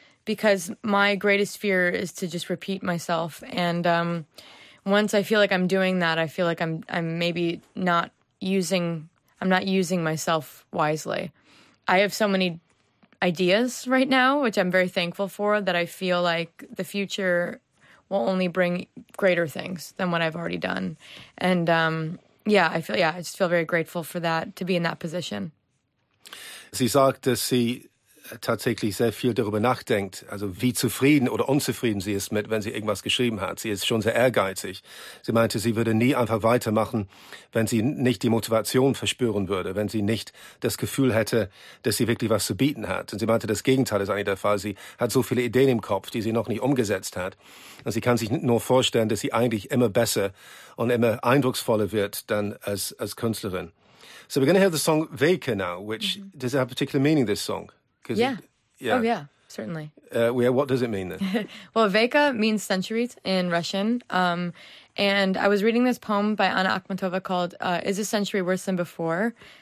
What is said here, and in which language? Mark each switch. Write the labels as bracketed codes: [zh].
[en] Because my greatest fear is to just repeat myself, and once I feel like I'm doing that, I feel like I'm not using myself wisely. I have so many ideas right now, which I'm very thankful for, that I feel like the future will only bring greater things than what I've already done, and I just feel very grateful for that, to be in that position. [de] Sie sagt, dass sie tatsächlich sehr viel darüber nachdenkt, also wie zufrieden oder unzufrieden sie ist mit, wenn sie irgendwas geschrieben hat. Sie ist schon sehr ehrgeizig. Sie meinte, sie würde nie einfach weitermachen, wenn sie nicht die Motivation verspüren würde, wenn sie nicht das Gefühl hätte, dass sie wirklich was zu bieten hat. Und sie meinte, das Gegenteil ist eigentlich der Fall. Sie hat so viele Ideen im Kopf, die sie noch nicht umgesetzt hat. Und sie kann sich nur vorstellen, dass sie eigentlich immer besser und immer eindrucksvoller wird dann als Künstlerin. [en] So we're going to hear the song Weka now, which, mm-hmm. Does it have a particular meaning, this song? Certainly. What does it mean then? Well, Veka means centuries in Russian. And I was reading this poem by Anna Akhmatova called Is a Century Worse Than Before?